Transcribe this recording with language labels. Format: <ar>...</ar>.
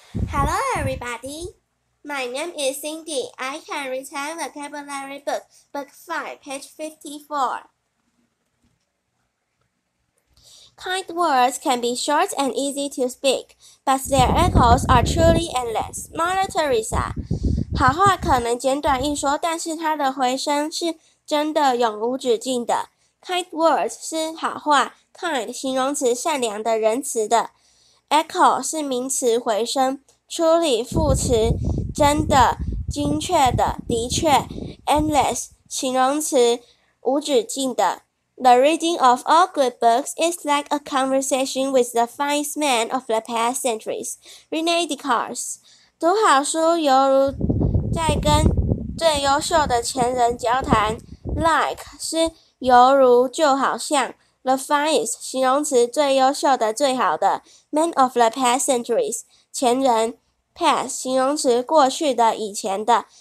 <en>Hello, everybody. My name is Cindy. I can retell vocabulary book, book 5, page 54. Kind words can be short and easy to speak, but their echoes are truly endless. Mother Teresa.</en> <zh>好话可能简短一说，但是它的回声是真的永无止境的。 Kind words 是好话 ，kind 形容词善良的仁慈的 ，echo 是名词回声 ，truly 副词真的、精确的、的确 ，endless 形容词无止境的。</zh> <en>The reading of all good books is like a conversation with the finest man of the past centuries. Rene Descartes.</en> <zh>读好书犹如在跟最优秀的前人交谈。 Like 是犹如就好像。The finest 形容词最优秀的最好的。</zh> <en>Man of the past centuries</en> <zh>前人。Past 形容词过去的以前的。</zh>